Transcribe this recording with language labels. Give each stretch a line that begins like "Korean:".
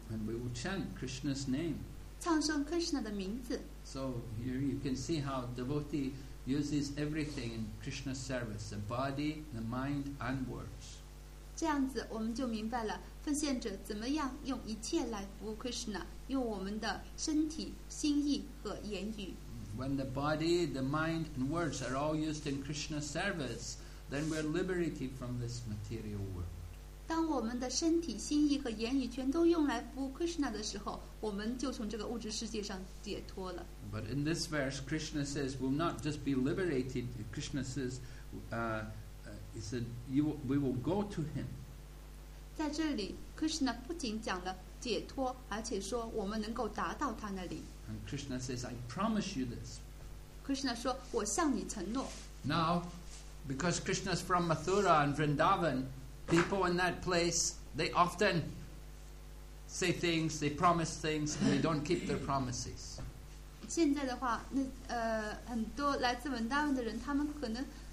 English: And we will chant Krishna's name.
Chinese: 唱诵 Krishna 的名字。
English: So here you can see how devotee uses everything in Krishna's service, the body, the mind, and words.
Chinese: 这样子我们就明白了奉献者怎么样用一切来服务 Krishna， 用我们的身体、心意和言语。
English: When the body, the mind, and words are all used in Krishna's service, then we're liberated from this material world.
Chinese: 当我们的身体、心意和言语全都用来服务 Krishna 的时候，我们就从这个物质世界上解脱了。
English: But in this verse, Krishna says, "We'll not just be liberated." Krishna says, "He said, we will go to Him."
Chinese: 在这里 ，Krishna 不仅讲了解脱，而且说我们能够达到他那里。
English: And Krishna says, "I promise you this."
Chinese: Krishna 说，我向你承诺。
English: Now, because Krishna's from Mathura and Vrindavan, people in that place they often say things, they promise things, and they don't keep their promises.
Chinese: 现在的话，很多来自文达文的人，他们可能